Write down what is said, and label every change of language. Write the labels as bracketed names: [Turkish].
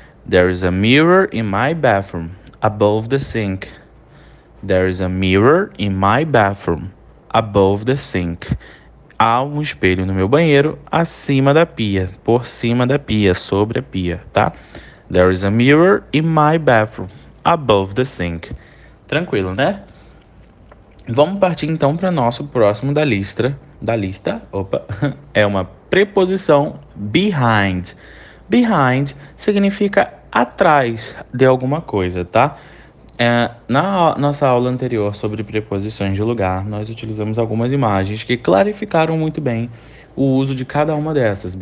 [English] There is a mirror in my bathroom, above the sink. There is a mirror in my bathroom, above the sink. [Portuguese] Há um espelho no meu banheiro, acima da pia, por cima da pia, sobre a pia, tá? [English] There is a mirror in my bathroom, above the sink. [Portuguese] Tranquilo, né? Vamos partir então para o nosso próximo da lista. Da lista, opa, é uma preposição behind. Behind significa atrás de alguma coisa, tá? Na nossa aula anterior sobre preposições de lugar, nós utilizamos algumas imagens que clarificaram muito bem o uso de cada uma dessas.